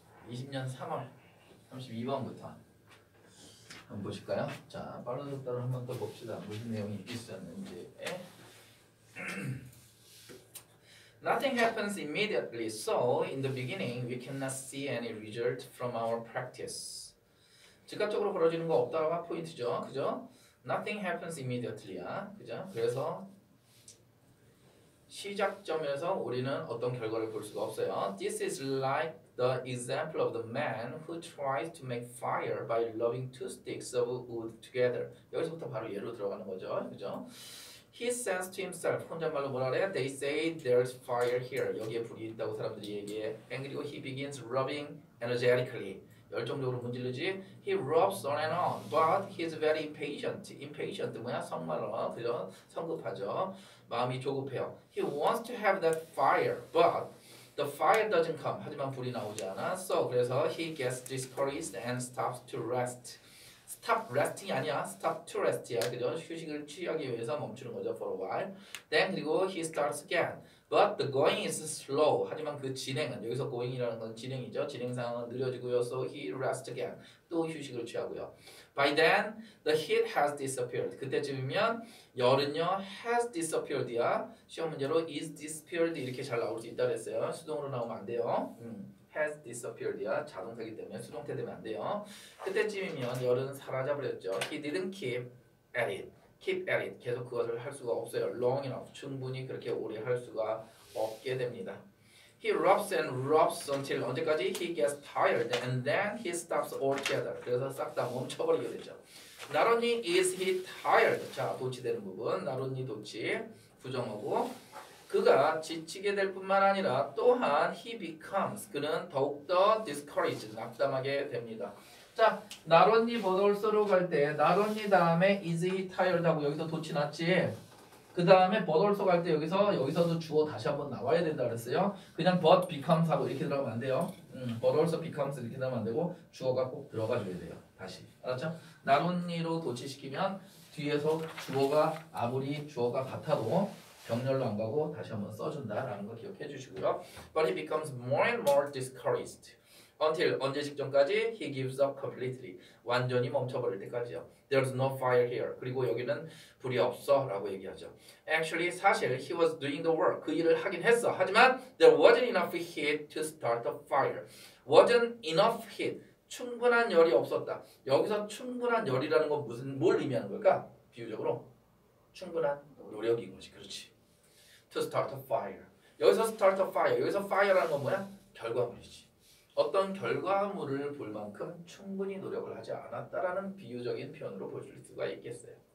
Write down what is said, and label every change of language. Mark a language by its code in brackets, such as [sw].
[ko] 20년 3월 32번부터 한번 보실까요? 자, 빠른 속도로 한번 더 봅시다. 무슨 내용이 있었는지. [en] Nothing happens immediately, so in the beginning we cannot see any result from our practice. [ko] 즉각적으로 벌어지는 거 없다가 포인트죠, 그죠? [en] Nothing happens immediately야, 그죠? [ko] 그래서 시작점에서 우리는 어떤 결과를 볼 수가 없어요. [en] This is like the example of the man who tries to make fire by rubbing two sticks of wood together. [ko] 여기서부터 바로 예로 들어가는 거죠, 그죠? [en] He says to himself, [ko] 혼잣말로 뭐라 그래? [en] They say there's fire here. [ko] 여기에 불이 있다고 사람들이 얘기해. [en] And 그리고 he begins rubbing energetically. [ko] 열정적으로 문지르지. [en] He rubs on and on, but he's very impatient. [ko] Impatient 뭐야? 성말로, 그죠? 성급하죠. 마음이 조급해요. [en] He wants to have that fire, but the fire doesn't come. [ko] 하지만 불이 나오지 않아. [en] So [ko] 그래서 [en] he gets discouraged and stops to rest. Stop resting [ko] 아니야. [en] Stop to rest야. 그죠? [ko] 휴식을 취하기 위해서 멈추는 거죠. [en] For a while. Then [ko] 그리고 [en] he starts again. But the going is slow. [ko] 하지만 그 진행은, 여기서 going이라는 건 진행이죠. 진행 상황은 느려지고요. [en] So he rests again. [ko] 또 휴식을 취하고요. [en] By then, the heat has disappeared. [ko] 그때쯤이면 열은요, [en] has disappeared [ko] 야. 시험 문제로 [en] is disappeared [ko] 이렇게 잘 나올 수 있다 그랬어요. 수동으로 나오면 안 돼요. [en] Has disappeared야. [ko] 자동태이기 때문에 수동태 되면 안 돼요. 그때쯤이면 열은 사라져버렸죠. [en] He didn't keep at it. Keep at it. [ko] 계속 그것을 할 수가 없어요. [en] Long enough. [ko] 충분히 그렇게 오래 할 수가 없게 됩니다. [en] He rubs and rubs until [ko] 언제까지? [en] He gets tired and then he stops altogether. [ko] 그래서 싹 다 멈춰버리게 되죠. [en] Not only is he tired. [ko] 자, 도치되는 부분. [en] Not only 도치. 부정하고. [ko] 그가 지치게 될 뿐만 아니라 또한 [en] he becomes. [ko] 그는 더욱더 discouraged. 낙담하게 됩니다. 자, [en] not only but also [ko] 로 갈 때 not only 다음에 [en] is he tired [ko] 하고 여기서 도치 났지. 그 다음에 but also 갈 때 여기서도 주어 다시 한번 나와야 된다 그랬어요. 그냥 but becomes 하고 이렇게 들어가면 안 돼요. [en] But also becomes [ko] 이렇게 들어가면 안 되고 주어가 꼭 들어가 줘야 돼요. 다시. 알았죠? not only로 도치시키면 뒤에서 주어가 아무리 주어가 같아도 병렬로 안 가고 다시 한번 써준다라는 거 기억해 주시고요. [en] But he becomes more and more discouraged. Until [ko] 언제 직전까지? [en] He gives up completely. [ko] 완전히 멈춰버릴 때까지요. [en] There's no fire here. [ko] 그리고 여기는 불이 없어 라고 얘기하죠. [en] Actually, 사실 he was doing the work. [ko] 그 일을 하긴 했어. 하지만 [en] there wasn't enough heat to start the fire. Wasn't enough heat. [ko] 충분한 열이 없었다. 여기서 충분한 열이라는 건 무슨 뭘 의미하는 걸까? 비유적으로 충분한 노력인 거지. 그렇지. [en] To start a fire. 여기서 start a fire. [ko] 여기서 fire라는 건 뭐야? 결과물이지. 어떤 결과물을 볼 만큼 충분히 노력을 하지 않았다라는 비유적인 표현으로 보실 수가 있겠어요.